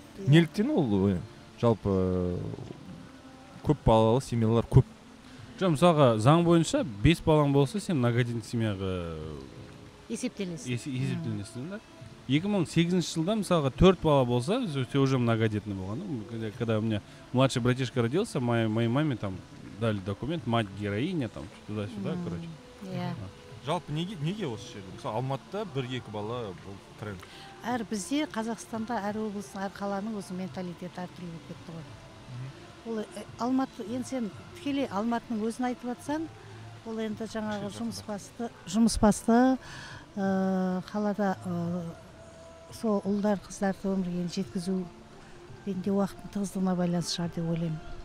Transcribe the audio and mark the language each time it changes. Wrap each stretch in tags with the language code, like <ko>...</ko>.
<kk>Неліктен ол жалпы көп балалы семьялар көп? Жоқ, мысалға заң бойынша 5 балаң болса, сен многодетті семьяға есептелесің. Есептелесің да? 2008 жылда мысалға 4 бала болса, сен уже многодетный болған.</kk> <ru>Когда у меня младший братишка родился, моей маме там дали документ, мать героиня там, туда-сюда, короче.</ru> <kk>Иә. Жалпы неге осы жерде? Мысалы, Алматыда 1-2 бала бұл тренд. Әр бізде Қазақстанда әр облыстың, әр қаланың өзі менталитеті әртүрлі болып кетті ғой. Ол Алматы, енді сен тікелей Алматының өзін айтып отсаң, ол енді жаңағы жұмыс басты, қалада сол ұлдар, қыздарды өмірге жеткізу ретінде уақыттың тығыздығына байланысты шығар деп ойлаймын.</kk>